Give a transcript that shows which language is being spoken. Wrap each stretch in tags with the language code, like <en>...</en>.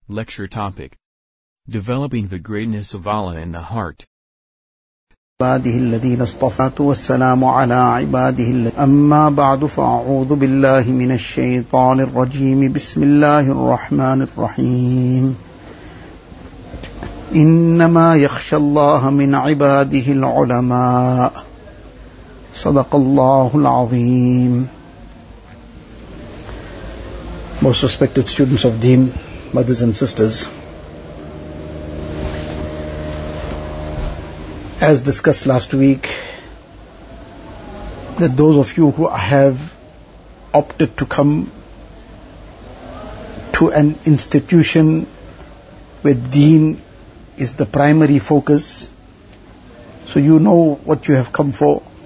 <en>Lecture topic: Developing the greatness of Allah in the heart.</en> <ar>عباده الذين اصطفات والسلام على عباده أما بعد فأعوذ بالله من الشيطان الرجيم بسم الله الرحمن الرحيم إنما يخشى الله من عباده العلماء صدق الله العظيم.</ar> <en>Most respected students of Deen, brothers and sisters, as discussed last week, that those of you who have opted to come to an institution where deen is the primary focus, so you know what you have come for,</en>